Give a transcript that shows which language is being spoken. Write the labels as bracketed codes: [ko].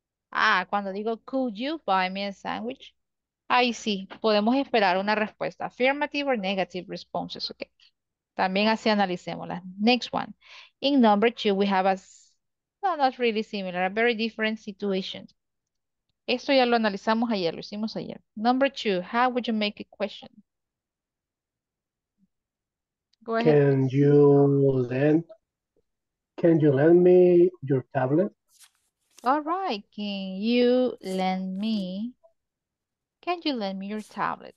[es] Ah, cuando digo, [en] could you buy me a sandwich? [es] Ahí sí, podemos esperar una respuesta. [en] Affirmative or negative responses, ok. [es] También así analicémosla. [en] Next one. In number two, we have a, no, not really similar, a very different situation. [es] Esto ya lo analizamos ayer, lo hicimos ayer. [en] Number two, how would you make a question? Go ahead. Can you lend me your tablet? All right. Can you lend me your tablet?